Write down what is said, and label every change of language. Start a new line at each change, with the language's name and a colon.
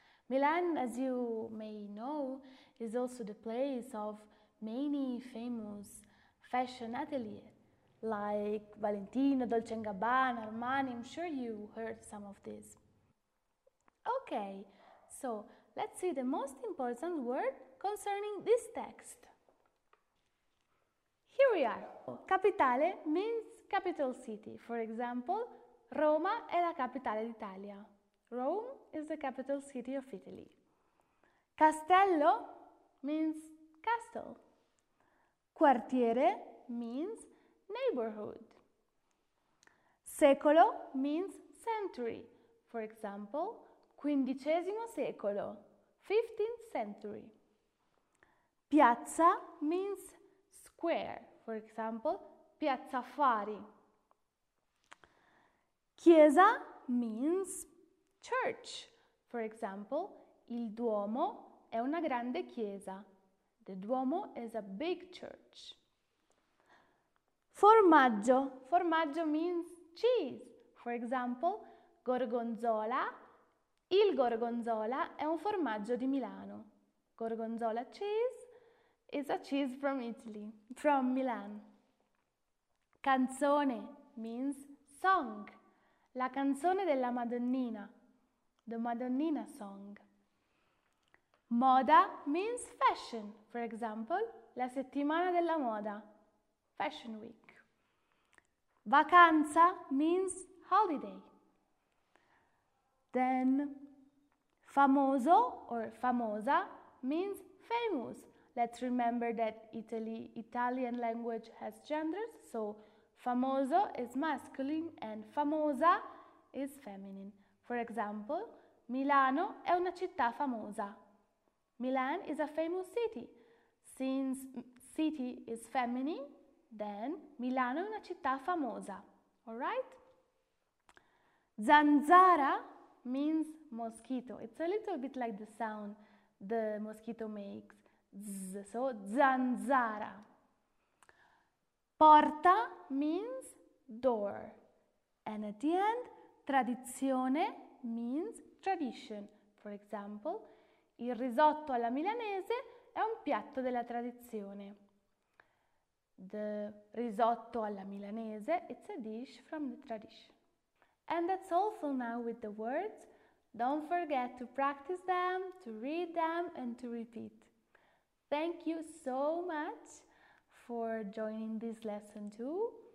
English: Milan, as you may know, is also the place of many famous fashion ateliers, like Valentino, Dolce & Gabbana, Armani. I'm sure you heard some of this. Okay, so let's see the most important word concerning this text. Here we are. Capitale means capital city. For example,
Italian: Roma è la capitale d'Italia.
English: Rome is the capital city of Italy. Castello means castle. Quartiere means neighborhood. Secolo means century. For example,
Italian: quindicesimo secolo,
English: 15th century. Piazza means square. For example, Piazza Affari. Chiesa means church. For example,
Italian: il Duomo è una grande chiesa.
English: The Duomo is a big church. Formaggio. Formaggio means cheese. For example, gorgonzola.
Italian: Il gorgonzola è un formaggio di Milano.
English: Gorgonzola cheese is a cheese from Italy, from Milan. Canzone means song.
Italian: La canzone della Madonnina.
English: The Madonnina song. Moda means fashion. For example,
Italian: la settimana della moda.
English: Fashion week. Vacanza means holiday. Then, famoso or famosa means famous. Let's remember that Italian language has genders, so famoso is masculine and famosa is feminine. For example,
Italian: Milano è una città famosa.
English: Milan is a famous city. Since city is feminine, then
Italian: Milano è una città famosa.
English: All right? Zanzara means mosquito. It's a little bit like the sound the mosquito makes. Z, so zanzara. Porta means door. And at the end, tradizione means tradition. For example,
Italian: il risotto alla milanese è un piatto della tradizione.
English: The risotto alla milanese, it's a dish from the tradition. And that's all for now with the words. Don't forget to practice them, to read them and to repeat. Thank you so much for joining this lesson too.